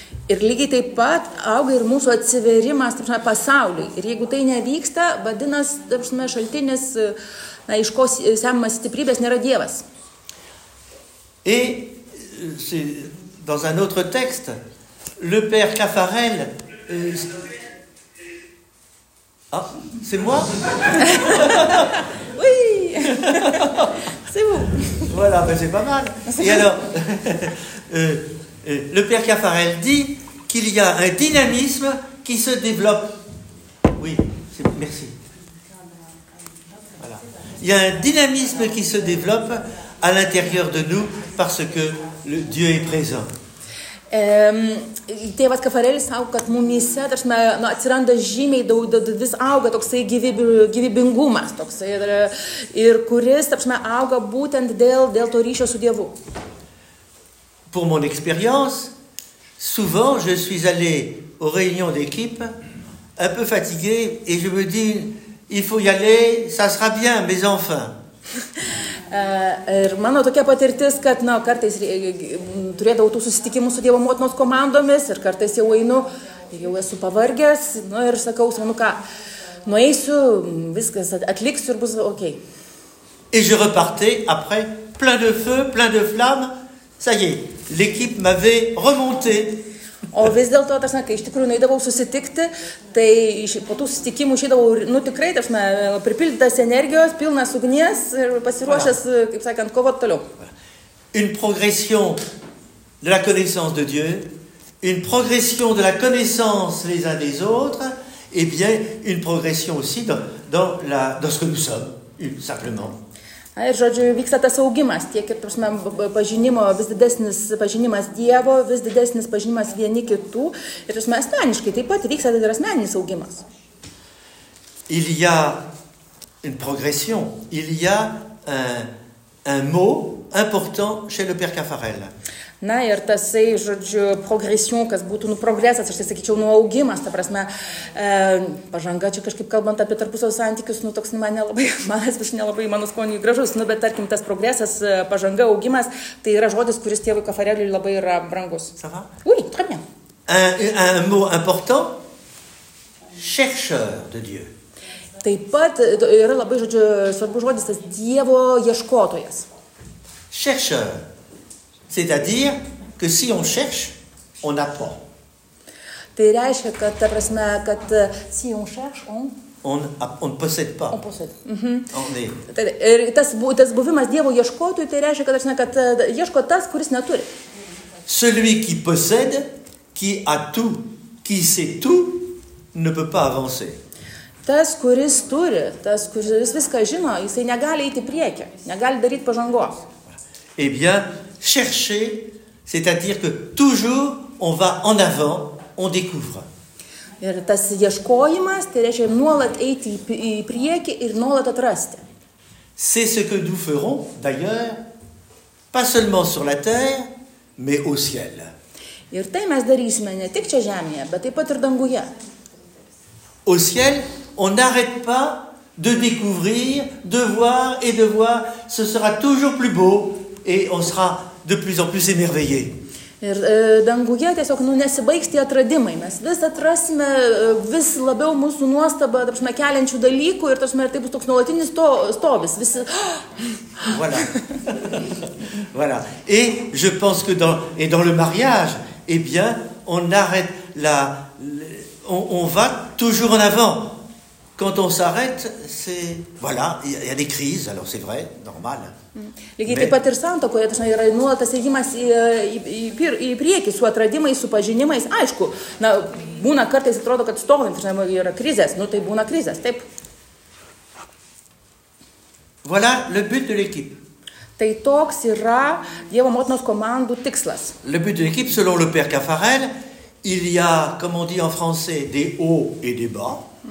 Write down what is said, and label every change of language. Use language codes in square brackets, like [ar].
[lt] Ir lygiai taip pat auga ir mūsų atsiverimas, apžinoma, pasauliui. Ir jeigu tai nevyksta, vadinas, apžinoma, šaltinis, na, iš ko semamas stiprybės, nėra Dievas. [fr] Et c'est... Dans un autre texte, le père Caffarel... Ah, c'est moi? Oui, c'est vous. Voilà, ben c'est pas mal. Et alors, le père Caffarel dit qu'il y a un dynamisme qui se développe. Oui, c'est... merci. Voilà. Il y a un dynamisme qui se développe à l'intérieur de nous parce que le Dieu est présent. [lt] Tėvas Kafarelis sako, kad mumyse tarsime, nu, atsiranda žymiai daug, vis auga toksai gyvybingumas toksai, ir kuris tarsime, auga būtent dėl to ryšio su Dievu. [fr] Pour mon expérience, souvent je suis allé aux réunions d'équipe un peu fatigué et je me dis il faut y aller, ça sera bien mes enfants. [lt] Ir mano tokia patirtis, kad na, kartais turėdavau tų susitikimų su Dievo motinos komandomis ir kartais jau einu, jau esu pavargęs nu, ir sakau, nu ką, nueisiu, viskas atliksiu ir bus ok. [fr] Et je repartais après, plein de feu, plein de flamme, ça y est, l'équipe m'avait remonté. [lt] O vis dėlto, tarsime, kai iš tikrųjų nuėdavau susitikti, tai po tų susitikimų išėdavau, nu tikrai, tarsime, pripildytas energijos, pilnas ugnies ir pasiruošęs, kaip sakant, kovot toliau. [fr] Une progression de la connaissance de Dieu, une progression de la connaissance les uns des autres, et bien une progression aussi dans ce que nous sommes, simplement. [lt] Ir, žodžiu, vyksta tas augimas, tiek ir, prasme, pažinimo, vis didesnis pažinimas Dievo, vis didesnis pažinimas vieni kitų, ir, prasme, asmeniškai taip pat vyksta ir asmeninis augimas. [fr] Il y a une progression, il y a un mot important chez le père Caffarel. [lt] Na, ir tasai, žodžiu, progression, kas būtų, nu, progresas, aš tai sakyčiau, nu, augimas, ta prasme, pažanga, čia kažkaip kalbant apie tarpusavio santykius, nu, toks man nelabai, manas vis nelabai, mano skonį gražus, nu, bet tarkim, tas progresas, pažanga, augimas, tai yra žodis, kuris tėvui Kafareliui labai yra brangus. [fr] Sava? Oui, très bien. Un mot important, chercheur de Dieu. [lt] Taip pat yra labai, žodžiu, svarbu žodis, tas Dievo ieškotojas. [fr] Chercheur. C'est-à-dire que si on cherche, on apprend. [lt] Tai reiškia, kad, ta prasme, kad [fr] si on cherche, on ne possède pas. On possède. Mm-hmm. [lt] Ir tas buvimas Dievo ieškotojų, tai reiškia, kad, prasme, kad ieško tas, kuris neturi. [fr] Celui qui possède, qui a tout, qui sait tout, ne peut pas avancer. [lt] Tas, kuris turi, tas, kuris viską žino, jisai negali eiti priekį, negali daryti pažangos. [fr] Eh bien, chercher, c'est-à-dire que toujours on va en avant, on découvre. [lt] Ir tas ieškojimas, tai reiškia nuolat eiti į priekį ir nuolat atrasti. [fr] C'est ce que nous ferons, d'ailleurs, pas seulement sur la terre, mais au ciel. [lt] Ir tai mes darysime ne tik čia žemėje, bet taip pat ir danguje. [fr] Au ciel, on n'arrête pas de découvrir, de voir et de voir, ce sera toujours plus beau. Et on sera de plus en plus émerveillé. [lt] Ir danguje tiesiog nu nesibaigs tie atradimai. Mes vis atrasime vis labiau mūsų nuostabą, tarpsme, keliančių dalykų ir tarpsme, tai bus toks nuolatinis stovis. Visi... [fr] voilà. voilà. Et je pense que dans le mariage, eh bien, on arrête la on va toujours en avant. Quand on s'arrête, c'est... Voilà, il y a des crises, alors c'est vrai, normal. [lt] Lygiai taip pat ir santokoje, tai yra nuolatas ėjimas į priekį su atradimais, su pažinimais. Aišku, na, būna kartais atrodo, kad stovint, žinai, yra krizės, nu tai būna krizės, taip. [fr] Voilà le but de l'équipe. [lt] Tai toks yra Dievo motinos komandų tikslas. [fr] Le but de l'équipe, selon le père Caffarel, il y a, comme on dit en français, des hauts et des bas.